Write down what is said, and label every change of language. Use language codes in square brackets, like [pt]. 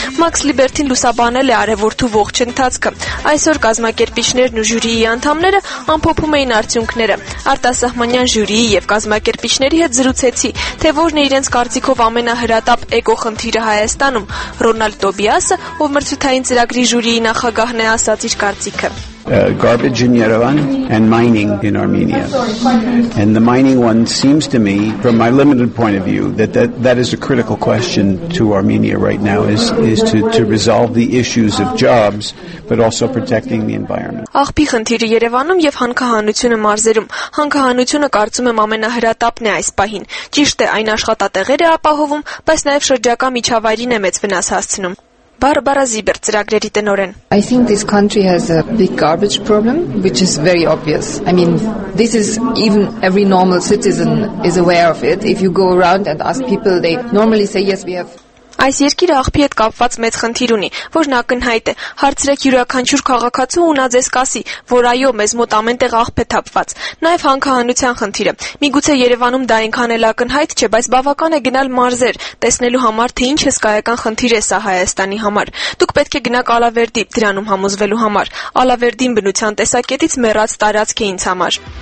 [hy] Max Liberty-ն լուսաբանել է արևորդու ողջ ընթացքը։ Այսօր կազմակերպիչներն ու ժյուրիի անդամները ամփոփում էին արդյունքները։ Արտասահմանյան ժյուրիի և կազմակերպիչների հետ զրուցեցի, թե ո՞րն է իրենց կարծիքով ամենահրատապ էկոխնդիրը Հայաստանում։ Ռոնալդ Տոբիասը, ով մրցութային ծրագրի ժյուրիի նախագահն է, ասաց իր կարծիքը. [en] Garbage in Yerevan and mining in Armenia. And the mining one seems to me, from my limited point of view, that is a critical question to Armenia right now, is to resolve the issues of jobs, but also protecting the environment. [hy] Աղբի խնդիրը Երևանում եւ հանքահանությունը մարզերում։ Հանքահանությունը կարծում եմ ամենահրատապն է այս պահին։ Ճիշտ է, այն աշխատատեղեր է ապահովում, բայց նաեւ շրջակա միջավայրին է մեծ վնաս հասցնում։ Barbara Ziber, ծրագրերի տնորեն. [en] I think this country has a big garbage problem, which is very obvious. I mean, this is even every normal citizen is aware of it. If you go around and ask people, they normally say yes, we have. [hy] Այս երկիրը աղբի հետ կապված մեծ խնդիր ունի, որն ակնհայտ է։ Հարցրեք յուրաքանչյուր քաղաքացու ու նա ձեզ կասի, որ այո, մեզ մոտ ամեն տեղ աղբ է թափված, նաև հանքահանության խնդիրը։ Միգուցե Երևանում դա այնքան էլ ակնհայտ չէ, բայց բավական է գնալ մարզեր, տեսնելու համար, թե ինչ հսկայական խնդիր է սա Հայաստանի համար։ Դուք պետք է գնաք Ալավերդի դրանում համոզվելու համար։ Ալավերդին բնության տեսակետից մեռած տարածք է ինձ համար։